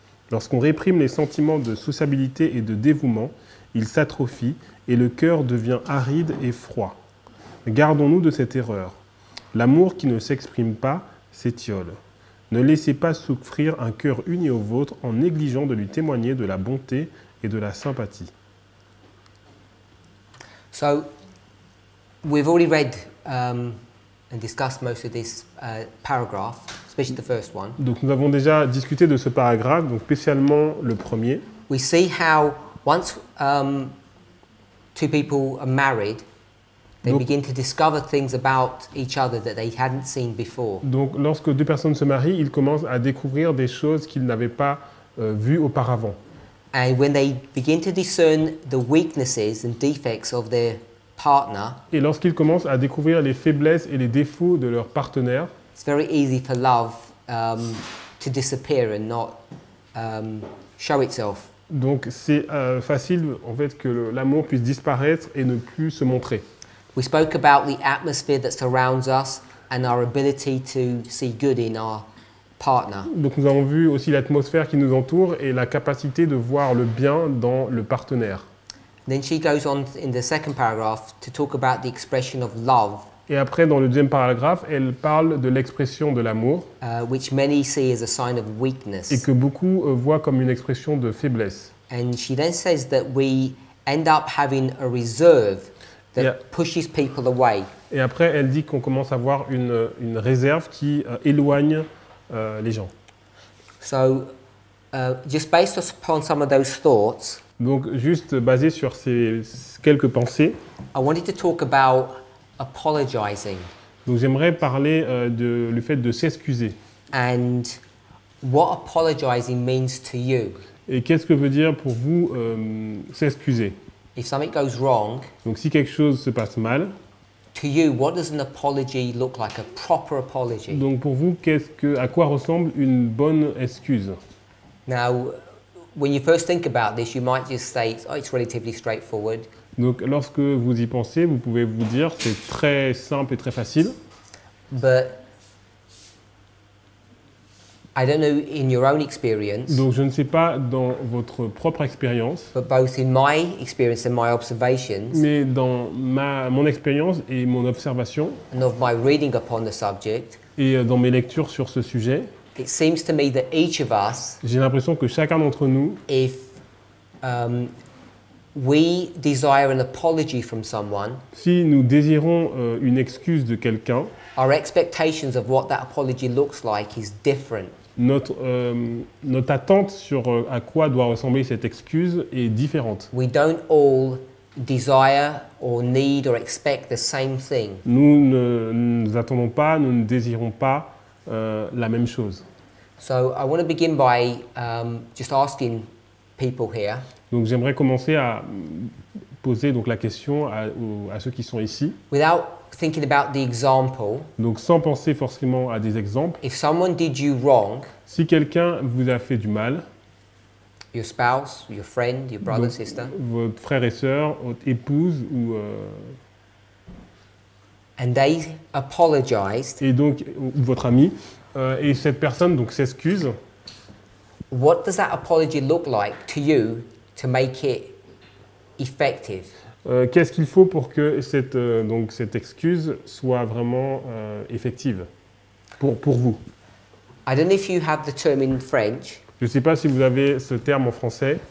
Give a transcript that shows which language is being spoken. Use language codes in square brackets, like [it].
[fr] Lorsqu'on réprime les sentiments de sociabilité et de dévouement, ils s'atrophient et le cœur devient aride et froid. Gardons-nous de cette erreur. L'amour qui ne s'exprime pas s'étiole. Ne laissez pas souffrir un cœur uni au vôtre en négligeant de lui témoigner de la bonté et de la sympathie. [en] So, we've already read and discussed most of this paragraph, especially the first one. [fr] Donc nous avons déjà discuté de ce paragraphe, donc spécialement le premier. [en] We see how once two people are married, they begin to discover things about each other that they hadn't seen before. [fr] Donc, lorsque deux personnes se marient, ils commencent à découvrir des choses qu'ils n'avaient pas vues auparavant. [en] And when they begin to discern the weaknesses and defects of their partner, [fr] et lorsqu'ils commencent à découvrir les faiblesses et les défauts de leur partenaire, [en] it's very easy for love to disappear and not show itself. [fr] Donc, c'est facile, en fait, que l'amour puisse disparaître et ne plus se montrer. [en] We spoke about the atmosphere that surrounds us and our ability to see good in our partner. [fr] Donc nous avons vu aussi l'atmosphère qui nous entoure et la capacité de voir le bien dans le partenaire. [en] Then she goes on in the second paragraph to talk about the expression of love. [fr] Et après dans le deuxième paragraphe, elle parle de l'expression de l'amour, [en] which many see as a sign of weakness. [fr] Et que beaucoup voient comme une expression de faiblesse. [en] And she then says that we end up having a reserve that pushes people away. [fr] Et après, elle dit qu'on commence à avoir une réserve qui éloigne les gens. [en] So, just based upon some of those thoughts, [fr] donc, juste basé sur ces quelques pensées, [en] I wanted to talk about apologizing. [fr] Donc, j'aimerais parler de le fait de s'excuser. [en] And what apologizing means to you. [fr] Et qu'est-ce que veut dire pour vous s'excuser? [en] If something goes wrong, [fr] donc si quelque chose se passe mal, [en] To you, what does an apology look like, a proper apology? [fr] Donc pour vous, à quoi ressemble une bonne excuse? [en] Now, when you first think about this, you might just say, oh, it's relatively straightforward. [fr] Donc lorsque vous y pensez, vous pouvez vous dire c'est très simple et très facile. [en] But I don't know in your own experience. [fr] Donc je ne sais pas dans votre propre expérience. [en] But both in my experience and my observations. [fr] Mais dans mon expérience et mon observation. [en] And of my reading upon the subject. [fr] Et dans mes lectures sur ce sujet. [en] It seems to me that each of us. [fr] J'ai l'impression que chacun d'entre nous. [en] If we desire an apology from someone. [fr] Si nous désirons une excuse de quelqu'un. [en] Our expectations of what that apology looks like is different. [fr] Notre attente sur à quoi doit ressembler cette excuse est différente. [en] We don't all desire or need or expect the same thing. [fr] Nous ne nous attendons pas, nous ne désirons pas la même chose. [en] So I want to begin by just asking people here. [fr] Donc j'aimerais commencer à poser donc la question à ceux qui sont ici. [en] Without thinking about the example. [fr] Donc sans penser forcément à des exemples. [en] If someone did you wrong. [fr] Si quelqu'un vous a fait du mal. [en] Your spouse, your friend, your brother, donc, sister. [fr] Votre frère et sœur, votre épouse ou. [en] And they apologized. [fr] Et donc votre ami et cette personne donc s'excuse. [en] What does that apology look like to you to make it effective? [fr] Qu'est-ce qu'il faut pour que cette excuse soit vraiment effective pour vous? [en] I don't know if you have the term in French. [fr] Je ne sais pas si vous avez ce terme en français.